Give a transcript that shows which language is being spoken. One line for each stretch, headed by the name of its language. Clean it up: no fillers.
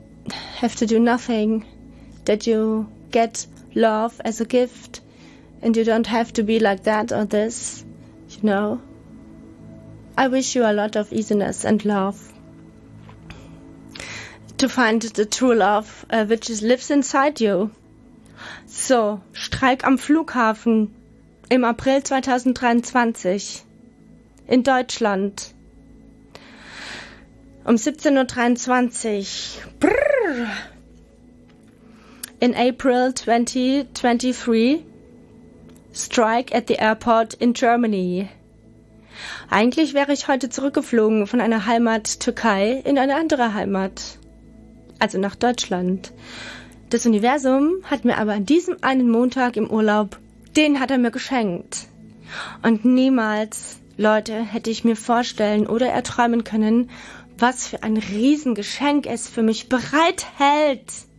English: have to do nothing, that you get love as a gift, and you don't have to be like that or this, you know. I wish you a lot of easiness and love to find the true love which lives inside you.
German: So, Streik am Flughafen im April 2023. In Deutschland. Um 17:23 Uhr. Brrr.
English: In April 2023. Strike at the airport in Germany.
German: Eigentlich wäre ich heute zurückgeflogen von einer Heimat Türkei in eine andere Heimat. Also nach Deutschland. Das Universum hat mir aber an diesem einen Montag im Urlaub, den hat er mir geschenkt. Und niemals, Leute, hätte ich mir vorstellen oder erträumen können, was für ein Riesengeschenk es für mich bereithält.